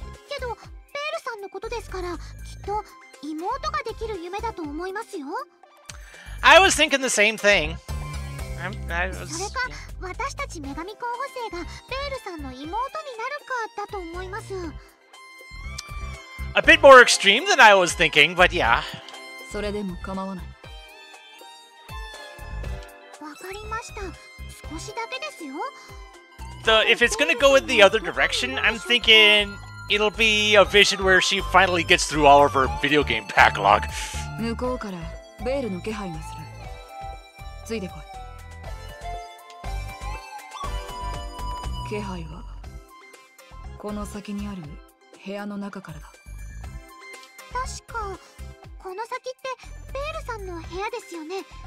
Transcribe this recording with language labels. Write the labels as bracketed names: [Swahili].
[Japanese] けどベールさんのことですから、きっと妹ができる夢だと思いますよ。 [English] I was thinking the same thing。 [Japanese] それか、私たち女神候補生がベールさんの妹になるかだと思います。 [English] A bit more extreme than I was thinking, but yeah。 [Japanese] それでも構わない。わかりました、少しだけですよ。 [English] So if it's gonna go in the other direction, I'm thinking it'll be a vision where she finally gets through all of her video game backlog。 [Japanese] 向こうからベールの気配がする。ついてこい。気配はこの先にある部屋の中からだ。確かこの先ってベールさんの部屋ですよね。